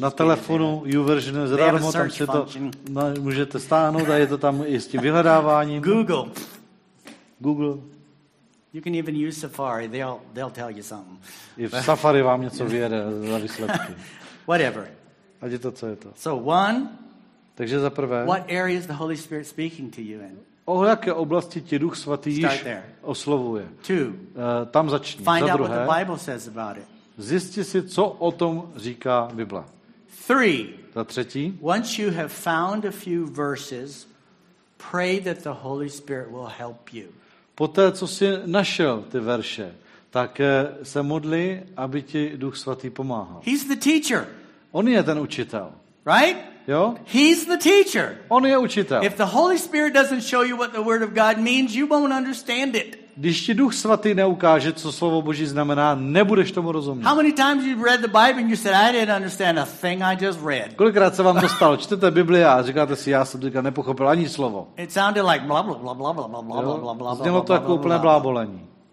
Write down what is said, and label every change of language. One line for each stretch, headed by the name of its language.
Czech: na telefonu YouVersion je zadarmo, tam si to můžete stáhnout a je to tam i s tím vyhledáváním.
English: Google. You can even use Safari. They'll tell you something.
Czech: If Safari vám něco vyjede za výsledky.
English: Whatever.
Czech: A je to, co je to.
English: So one.
Czech: Takže za prvé.
English: What area is the Holy Spirit speaking to you in?
Czech: O jaké oblasti tě Duch Svatý již oslovuje?
English: Two.
Czech: Tam začni.
English: Find
Czech: za
English: out what the Bible says about it.
Czech: Zjisti si, co o tom říká Bible.
English: Three.
Czech: Za třetí.
English: Once you have found a few verses, pray that the Holy Spirit will help you.
Czech: Poté, co jsi našel ty verše, tak se modli, aby ti Duch Svatý pomáhal.
English: He's the teacher.
Czech: On je ten učitel.
English: Right?
Czech: Jo?
English: He's the teacher.
Czech: On je učitel.
English: If the Holy Spirit doesn't show you what the word of God means, you won't understand it.
Czech: Když ti Duch svatý neukáže, co slovo Boží znamená, nebudeš tomu rozumět.
English: How many times you read the Bible and you said I didn't understand a thing I just read?
Czech: Kolikrát se vám to stalo? Čtete Bibli a říkáte si, já jsem teďka nepochopil ani slovo.
English: It sounded like blah blah blah blah blah blah blah blah blah blah.
Czech: Znělo to jako úplné blábolení.